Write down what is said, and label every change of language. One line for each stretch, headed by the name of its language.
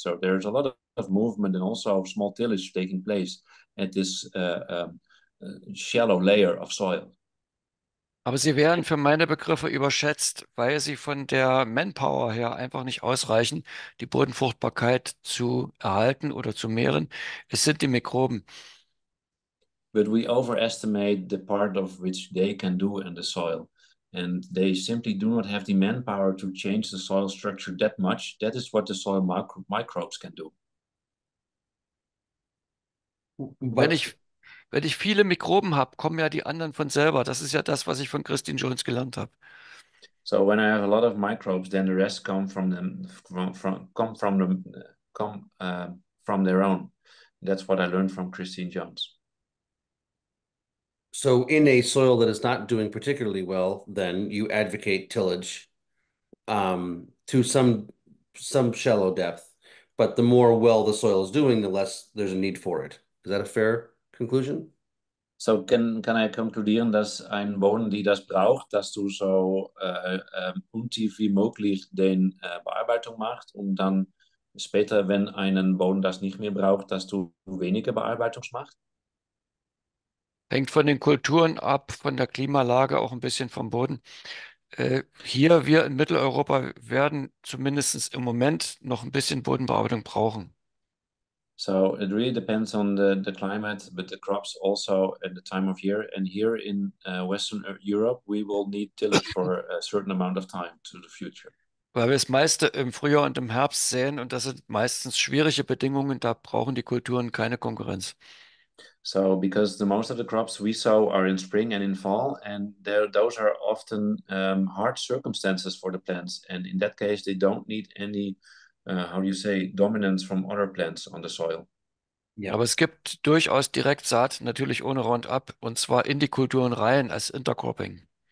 English: So there's a lot of movement and also small tillage taking place at this shallow layer of soil.
German: Aber sie werden für meine Begriffe überschätzt, weil sie von der Manpower her einfach nicht ausreichen, die Bodenfruchtbarkeit zu erhalten oder zu mehren. Es sind die Mikroben.
English: But we overestimate the part of which they can do in the soil. And they simply do not have the manpower to change the soil structure that much. That is what the soil microbes can do.
German: Wenn ich viele Mikroben habe, kommen ja die anderen von selber. Das ist ja das, was ich von Christine Jones gelernt habe.
English: So when I have a lot of microbes, then the rest come from them, from their own. That's what I learned from Christine Jones. So in a soil that is not doing particularly well, then you advocate tillage to some shallow depth. But the more well the soil is doing, the less there's a need for it. Is that a fair conclusion?
German: So kann ich konkludieren, dass ein Boden, die das braucht, dass du so untief wie möglich den Bearbeitung machst und dann später, wenn einen Boden das nicht mehr braucht, dass du weniger Bearbeitung machst? Hängt von den Kulturen ab, von der Klimalage, auch ein bisschen vom Boden. Hier, wir in Mitteleuropa, werden zumindest im Moment noch ein bisschen Bodenbearbeitung brauchen.
English: So it really depends on the climate, but the crops also and the time of year. And here in Western Europe, we will need tillage for a certain amount of time to the future.
German: Weil wir das meiste im Frühjahr und im Herbst sehen und das sind meistens schwierige Bedingungen, da brauchen die Kulturen keine Konkurrenz.
English: So because the most of the crops we sow are in spring and in fall, and those are often hard circumstances for the plants. And in that case, they don't need any dominance from other plants on the soil.
German: Ja, aber es gibt durchaus Direktsaat, natürlich ohne Roundup, und zwar in die Kulturen rein als Intercropping.